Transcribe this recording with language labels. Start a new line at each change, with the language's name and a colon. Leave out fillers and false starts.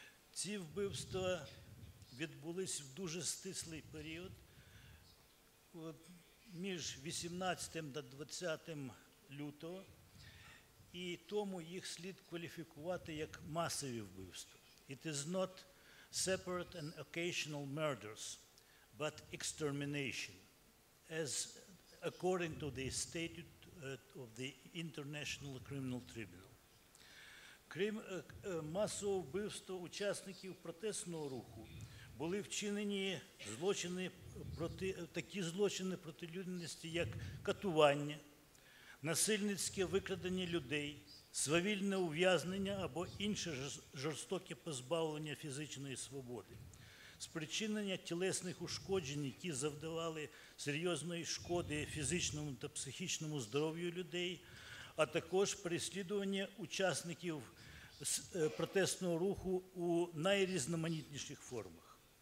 Ukrainian: Ці вбивства відбулись в дуже стислий період між 18 та 20 лютого, і тому їх слід кваліфікувати як масові вбивства.
English: It is not separate and occasional murders, but extermination, as according to the statute of the International Criminal Tribunal.
Ukrainian: Крім масового вбивства учасників протестного руху, були вчинені злочини проти, такі злочини проти людяності, як катування, насильницьке викрадення людей, свавільне ув'язнення або інше жорстоке позбавлення фізичної свободи, спричинення тілесних ушкоджень, які завдавали серйозної шкоди фізичному та психічному здоров'ю людей, а також переслідування учасників протестного руху у найрізноманітніших формах.